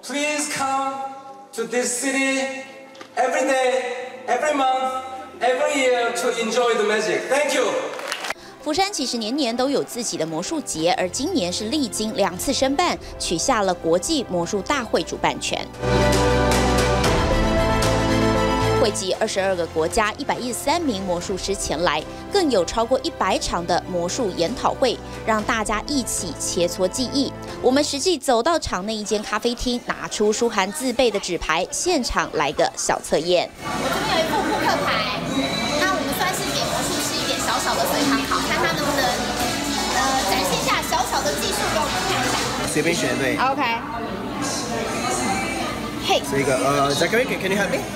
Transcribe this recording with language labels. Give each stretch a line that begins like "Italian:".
English: Please come to this city every day, every month, every year to enjoy the magic. Thank you.
Chinese: 釜山其实年年都有自己的魔术节，而今年是历经两次申办，取下了国际魔术大会主办权。汇集22个国家113名魔术师前来，更有超过100场的魔术研讨会，让大家一起切磋技艺。我们实际走到场内一间咖啡厅，拿出舒涵自备的纸牌，现场来个小测验。我这边有一副扑克牌，那我们算是给魔术师一点小小的随堂考，看他能不能展现一下小小的技术给我们看一下。随便选对。 OK。
English: So you go, Zachary, can you help me?